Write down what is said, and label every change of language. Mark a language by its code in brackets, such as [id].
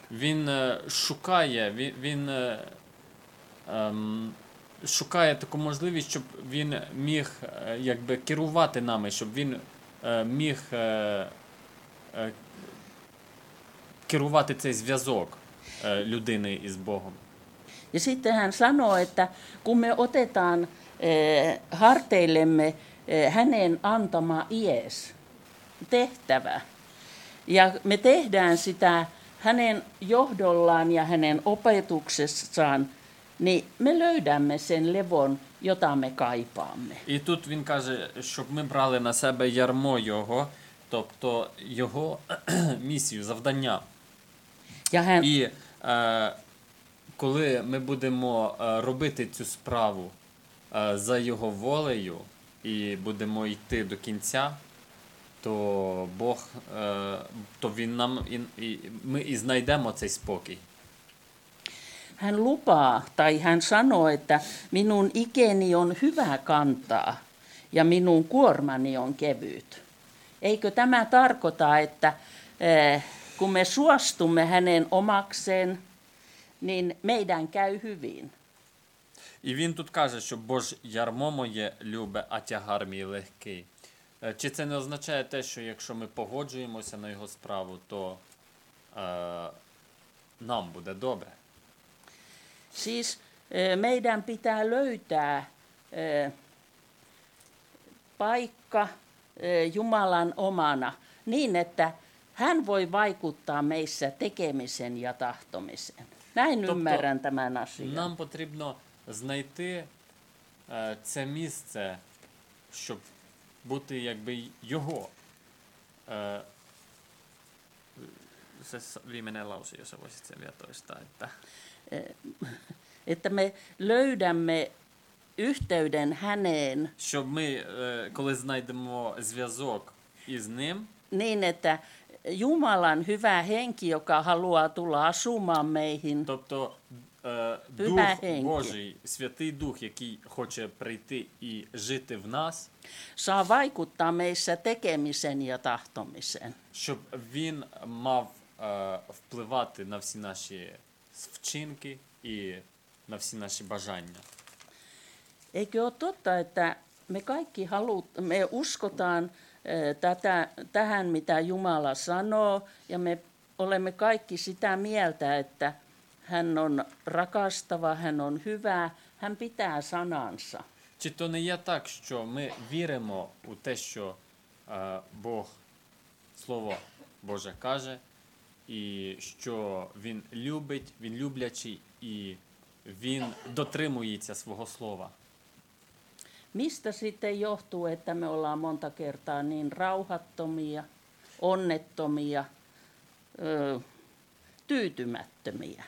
[uk] Він шукає, він шукає таку можливість, щоб він міг якби керувати нами, щоб він міг керувати цей зв'язок людини із Богом. [fi] Ja sitten hän sanoo, että kun me otetaan harteillemme hänen antama ies, tehtävä, ja me tehdään sitä hänen johdollaan ja hänen opetuksessaan, niin me löydämme sen levon, jota me kaipaamme. [uk] І тут він каже, щоб ми брали на себе ярмо його, тобто його місію, завдання. [fi] Ja hän... [uk] І коли ми будемо робити цю справу за його волею і будемо йти до кінця, то Бог, то він нам ми і знайдемо цей спокій. [fi] Hän lupaa, tai hän sanoo, että minun ikeni on hyvä kantaa ja minun kuormani on kevyt. Eikö tämä tarkoita, että kun me suostumme hänen omakseen, niin meidän käy hyvin. [uk] І він тут каже, що Боже ярмо моє любе, а тягар мій легкий. Чи це не означає те, що якщо ми погоджуємося на його справу, то нам буде добре? [fi] Siis meidän pitää löytää paikka Jumalan omana niin, että hän voi vaikuttaa meissä tekemisen ja tahtomisen. Näin [uk] тобто, [fi] ymmärrän tämän asian. [uk] Нам потрібно знайти це місце, щоб бути якби його. [fi] Se viimeinen lause, jos voisit sen vielä toistaa, että... Että me löydämme yhteyden häneen. [uk] Щоб ми, коли знайдемо зв'язок із ним. [fi] Niin, että Jumalan hyvä henki, joka haluaa tulla asumaan meihin. [uk] Тобто, Дух henki. Божий, Святий Дух, який хоче прийти і жити в нас. [fi] Saa vaikuttaa meissä tekemisen ja tahtomisen. [uk] Щоб він мав впливати на всі наші вчинки і на всі наші бажання. [fi] Eikö ole totta, että me kaikki me uskotaan tähän, mitä Jumala sanoo, ja me olemme kaikki sitä mieltä, että Hän on rakastava, hän on hyvä, hän pitää sanansa. [uk] Чи то не є так, що ми віримо у те, що Бог, Слово Боже каже, і що Він любить, Він люблячий, і Він дотримується свого слова? [fi] Mistä sitten johtuu, että me ollaan monta kertaa niin rauhattomia, onnettomia, tyytymättömiä?